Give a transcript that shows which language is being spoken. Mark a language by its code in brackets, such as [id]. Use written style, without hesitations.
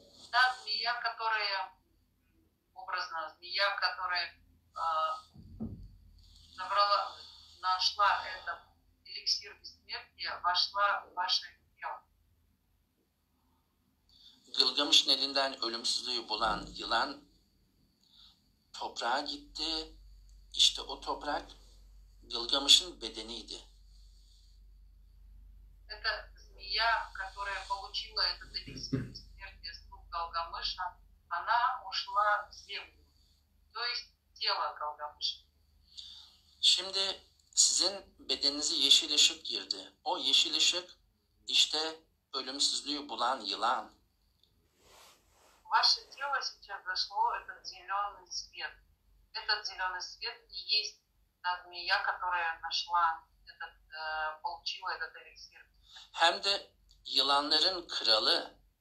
[ru] Та змея, которая, образно, змея, которая забрала, нашла этот эликсир бессмертия, вошла в ваше тело. [tr] Gılgamış'ın elinden ölümsüzlüğü bulan yılan toprağa gitti. İşte o toprak Gılgamış'ın bedeniydi. [ru] Это змея, которая получила этот эликсир Галгамыша, она ушла в землю, то есть тело Галгамыша. [tr] Şimdi sizin bedeninize yeşil ışık girdi. O yeşil ışık işte ölümsüzlüğü bulan yılan. [ru] Ваше тело сейчас зашло этот зеленый свет. Этот зеленый свет и есть та змея, которая нашла этот, получила этот эликсир. [tr] Hem de yılanların kralı.